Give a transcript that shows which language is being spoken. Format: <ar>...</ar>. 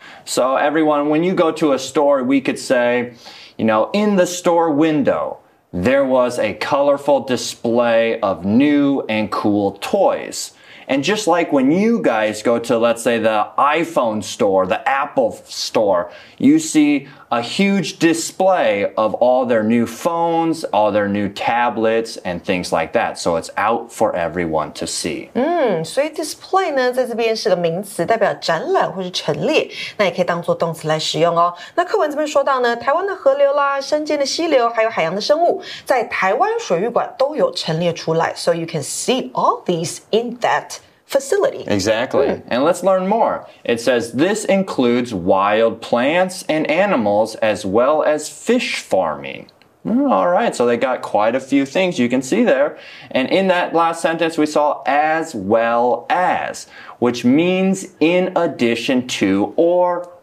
<en>So everyone, when you go to a store, we could say, you know, in the store window,There was a colorful display of new and cool toys. And just like when you guys go to, let's say, the iPhone store, the Apple store, you see a huge display of all their new phones, all their new tablets, and things like that. So it's out for everyone to see.</en> <zh>所以 display 呢，在这边是个名词，代表展览或是陈列，那也可以当作动词来使用哦。那课文这边说到呢，台湾的河流啦、山间的溪流，还有海洋的生物，在台湾水域馆都有陈列出来。</zh> <en>So you can see all these in that facility. Exactly. And let's learn more. It says this includes wild plants and animals as well as fish farming. All right. So they got quite a few things you can see there. And in that last sentence, we saw as well as, which means in addition to or</en>